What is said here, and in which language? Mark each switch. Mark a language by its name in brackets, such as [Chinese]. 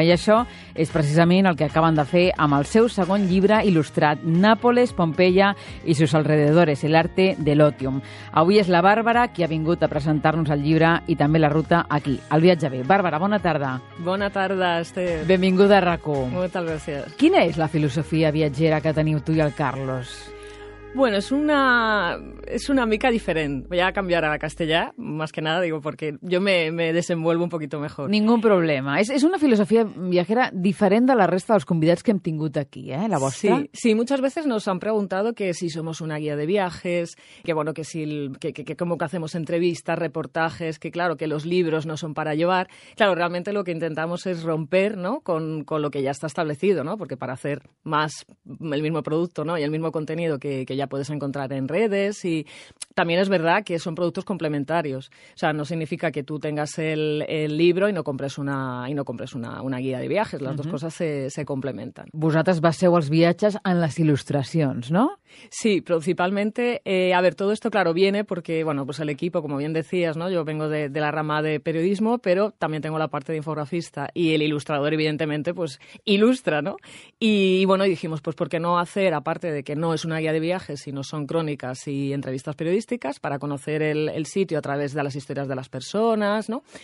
[Catalan] I això és precisament el que acaben de fer amb el seu segon llibre il·lustrat, Nápoles, Pompeya y sus alrededores, el arte del otium. Avui és la Bàrbara qui ha vingut a presentar-nos el llibre i també la ruta aquí, al Viatge B. Bàrbara, bona tarda. Bona tarda, Esther. Benvinguda a RAC1. Moltes gràcies. Quina és la filosofia viatgera que teniu tu i el Carlos? Bueno, es una mica diferent. [Spanish] Voy a cambiar a castellà, más que nada, digo, porque yo me desenvuelvo un poquito mejor. [Catalan] Ningún problema. Es una filosofía viajera diferent de la resta dels convidats que hem tingut aquí, ¿eh? La vostra. [Spanish] Sí, sí, muchas veces nos han preguntado que si somos una guía de viajes, que bueno, que si que como que hacemos entrevistas, reportajes, que claro, que los libros no son para llevar. Claro, realmente lo que intentamos es romper, ¿no? Con lo que ya está establecido, ¿no? Porque para hacer más el mismo producto, ¿no? Y el mismo contenido que ya puedes encontrar en redes, y también es verdad que son productos complementarios. O sea, no significa que tú tengas el libro y no compres una guía de viajes. Las dos cosas se complementan. [Catalan] Vosaltres baseu els viatges en les il·lustracions, ¿no? [Spanish] Sí, principalmente. A ver, todo esto, claro, viene porque, bueno, pues el equipo, como bien decías, ¿no? Yo vengo de la rama de periodismo, pero también tengo la parte de infografista, y el ilustrador, evidentemente, pues ilustra, ¿no? Y bueno, dijimos, pues ¿por qué no hacer, aparte de que no es una guía de viajes, sino son crónicas y entrevistas periodísticas para conocer el sitio a través de las historias de las personas, ¿no?